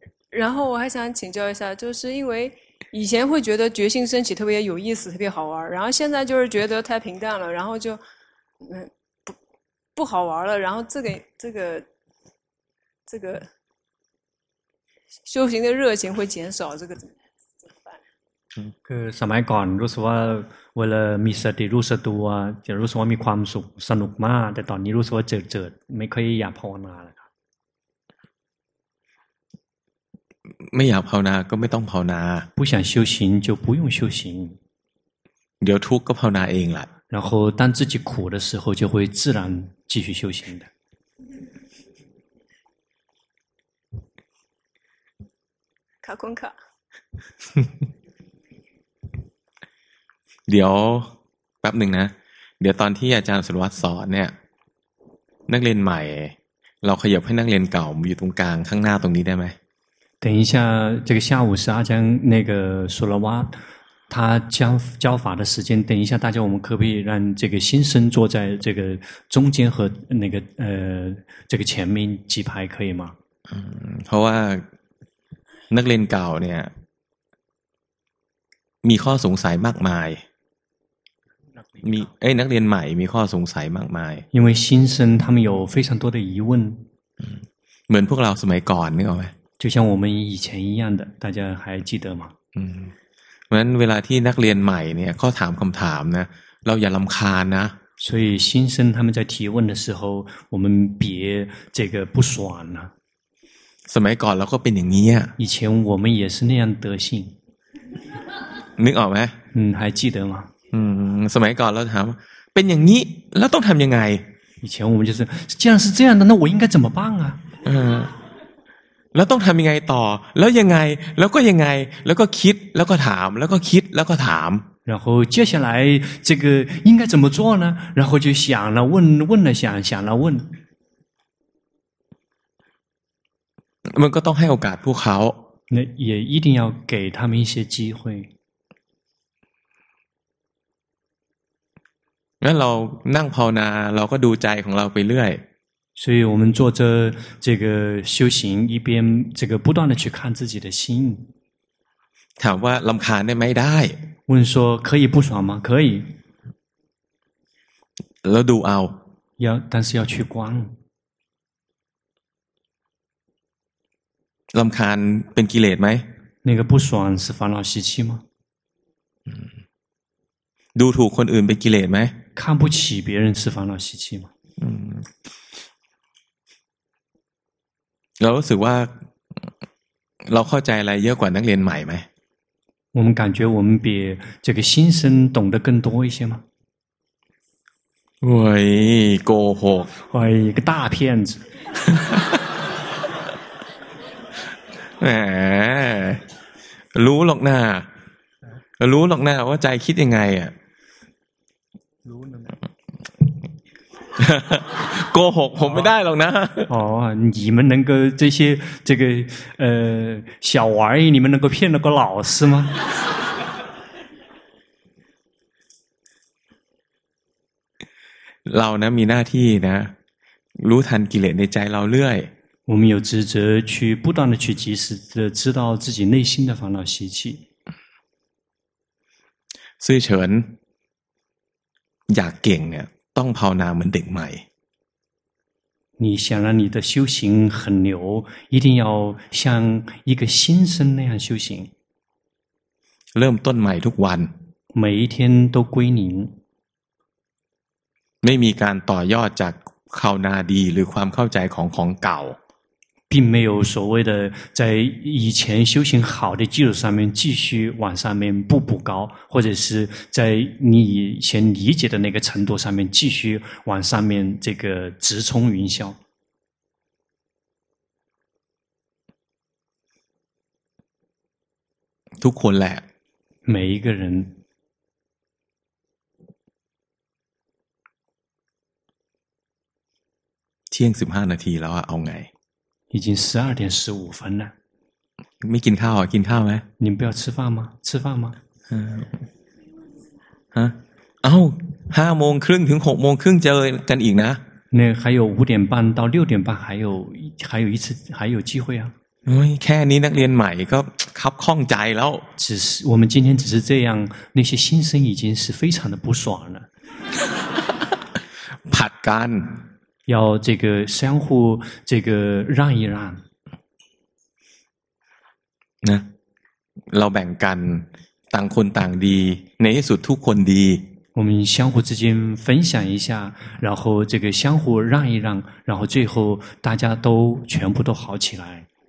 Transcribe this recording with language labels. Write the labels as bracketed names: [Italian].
[Chinese] 然后我还想请教一下就是因为以前会觉得决心升起特别有意思特别好玩然后现在就是觉得太平淡了然后就不好玩了然后这个修行的热情会减少这个怎么办 [Thai] คือสมัยก่อนรู้สึกว่าเวลามีสติรู้สึกตัวจะรู้สึกว่ามีความสุขสนุกมากแต่ตอนนี้รู้สึกว่าเจิดๆไม่ค่อยอยากภาวนาแล้วครับ ไม่อยากภาวนาก็ไม่ต้องภาวนา [Chinese] 不想修行就不用修行 [Thai] เดี๋ยวทุกข์ก็ภาวนาเองล่ะ [Chinese] 然后当自己苦的时候就会自然继续修行的卡坤卡 [Thai] เดี๋ยวแป๊บหนึ่งนะเดี๋ยวตอนที่อาจารย์สุรวัตรสอนเนี่ยนักเรียนใหม่เราขยับให้นักเรียนเก่าอยู่ตรงกลางข้างหน้าตรงนี้ได้ไหม [Chinese] 等一下这个下午是阿江那个苏拉瓦他教法的时间等一下大家我们可不可以让这个新生坐在这个中间和那个这个前面几排可以吗 [Thai] เพราะว่านักเรียนเก่าเนี่ยมีข้อสงสัยมากมายมีเอ้ยนักเรียนใหม่มีข้อสงสัยมากมาย [Chinese] 因为新生他们有非常多的疑问 [Thai] เหมือนพวกเราสมัยก่อนนึกออกไหม [Chinese] 就像我们以前一样的大家还记得吗 [Thai] เพราะฉะนั้นเวลาที่นักเรียนใหม่เนี่ยข้อถามคำถามนะเราอย่าลำคาญนะ [Chinese] 所以新生他们在提问的时候我们别这个不爽啊 [Thai] สมัยก่อนเราก็เป็นอย่างนี้ [Chinese] 以前我们也是那样德性 [Thai] นึกออกไหม [Chinese] 还记得吗 [Thai] สมัยก่อนเราถามเป็นอย่างนี้แล้วต้องทำยังไง [Chinese] 以前我们就是既然是这样的那我应该怎么办啊 [Thai] แล้วต้องทำยังไงต่อแล้วยังไงแล้วก็ยังไงแล้วก็คิดแล้วก็ถามแล้วก็คิดแล้วก็ถาม [Chinese] 然后接下来这个应该怎么做呢然后就想了问问了想想了问 [Thai] มันก็ต้องให้โอกาสพวกเขา [Chinese] 那也一定要给他们一些机会 [Thai] งั้นเรานั่งภาวนาเราก็ดูใจของเราไปเรื่อย [Chinese] 所以我们坐着这个修行一边这个不断的去看自己的心 [Thai] ถามว่าลำคาญได้ไหมได้ [Chinese] 问说可以不爽吗可以 [Thai] แล้วดูเอา [Chinese] 要但是要去观 [Thai] ลำคาญเป็นกิเลสไหม [Chinese] 那个不爽是烦恼习气吗 [Thai] ดูถูกคนอื่นเป็นกิเลสไหม [Chinese] 看不起别人是烦恼习气吗 [Thai] เรารู้สึกว่าเราเข้าใจอะไรเยอะกว่านักเรียนใหม่ไหม [Chinese] 我们感觉我们比这个新生懂得更多一些吗 [Thai] โว้ยโกหก [Chinese] โว้ย一个大骗子 [Thai] แหมรู้หรอกหน้ารู้หรอกหน้าว่าใจคิดยังไงอ่ะ รู้นะ โกหกผมไม่ได้หรอกนะ [Chinese] อ๋อ你们能够这些这个小玩意你们能够骗得过老师吗 [Thai] เรานะมีหน้าที่นะรู้ทันกิเลสในใจเราเรื่อย [Chinese] 我们有职责去不断的去及时的知道自己内心的烦恼习气 [Thai] ซื่อเฉินอยากเก่งเนี่ยต้องภาวนาเหมือนเด็กใหม่ [Chinese] 你想让你的修行很牛一定要像一个新生那样修行 [Thai] เริ่มต้นใหม่ทุกวัน [Chinese] 每一天都归零 [Thai] ไม่มีการต่อยอดจากภาวนาดีหรือความเข้าใจของเก่า [Chinese] 并没有所谓的在以前修行好的基础上面继续往上面步步高，或者是在你以前理解的那个程度上面继续往上面这个直冲云霄。都困难，每一个人。天十五分钟了，要怎么？已经12:15了。没吃饭啊？吃饭吗？你们不要吃饭吗？吃饭吗？啊？啊？5:30-6:30呢？那还有5:30-6:30还有一次还有机会啊。 [Thai] แค่นี้นักเรียนใหม่ก็คับข้องใจแล้ว [Chinese] 只是我们今天只是这样那些新生已经是非常的不爽了 [Thai] ผัดกัน [Chinese] 要这个相互这个让一让 [Thai] นะเราแบ่งกันต่างคนต่างดีในที่สุดทุกคนดี [Chinese] 我们相互之间分享一下然后这个相互让一让然后最后大家都全部都好起来